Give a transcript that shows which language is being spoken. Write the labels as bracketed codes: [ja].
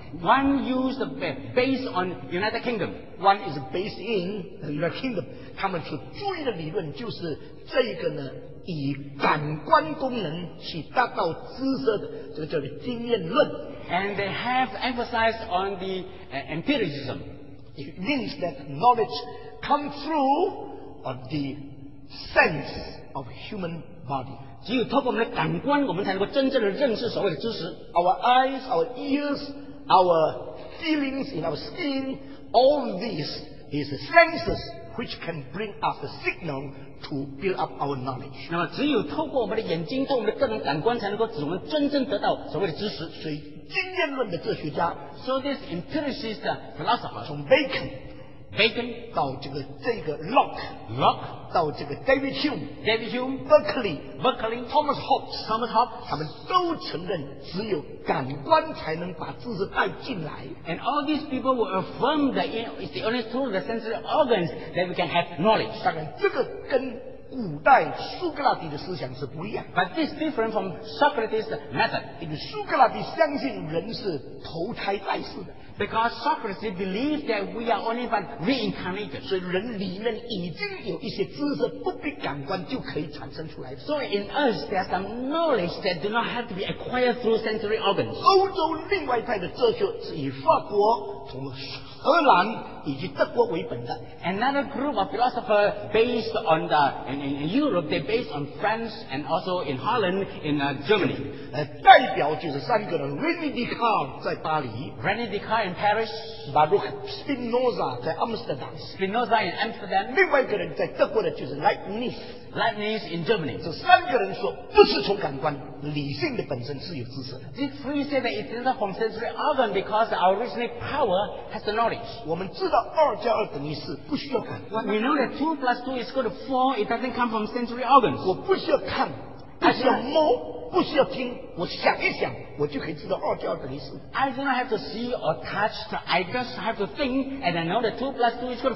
[en] One used based on United Kingdom. One is based in the United Kingdom. [zh] 他们所注意的理论就是这个呢，以感官功能去达到知识的，这个叫做经验论。 [en] And they have emphasized on the empiricism. It means that knowledge comes through of the sense of human body. [zh] 只有透过我们的感官，我们才能够真正的认识所谓的知识。 [en] Our eyes, our ears, our feelings in our skin, all these is the senses which can bring us the signal to build up our knowledge. [zh] 那么，只有透过我们的眼睛，透过我们的各种感官，才能够使我们真正得到所谓的知识。所以，经验论的哲学家 [en] ，so this empiricist philosopher [zh] 从 Bacon 到这个 Locke 到这个 David Hume Berkeley Thomas Hobbes 他们都承认只有感官才能把知识带进来 [en] and all these people will affirm that it's the only through the sensory organs that we can have knowledge [zh] 当然这个跟古代苏格拉底的思想是不一样 [en] but this is different from Socrates method [zh] 因为苏格拉底相信人是投胎在世的 [en] Because Socrates believed that we are only but reincarnated. [zh] 所以人里面已经有一些知识不必感官就可以产生出来。 [en] So in us, there's some knowledge that do not have to be acquired through sensory organs. [zh] 欧洲另外一派的哲学是以法国从荷兰以及德国为本的。 [en] Another group of philosophers based on the, in Europe, they're based on France and also in Holland, in Germany. [zh] 代表就是三个人 René Descartes 在巴黎 [en] René Descartes in Paris, [zh] Baruch Spinoza 在 Amsterdam, [en] Spinoza in Amsterdam. [zh] 另外一个人在德国的就是 Leibniz, [en] Leibniz in Germany. [zh] 这三个人说不是从感官理性的本身是有知识的。 [en] These three say that it's not from sensory organ because our reasoning power has the knowledge. [zh] 我们知道二加二等于四，不需要感官。 [en] We know that 2 plus 2 is equal to 4. It doesn't come from sensory organs. [zh] 我不需要看。不需要摸，不需要听，我想一想，我就可以知道二加二等于四。 [en] I do not have to see or touch. I just have to think, and I know that 2 + 2 = 4.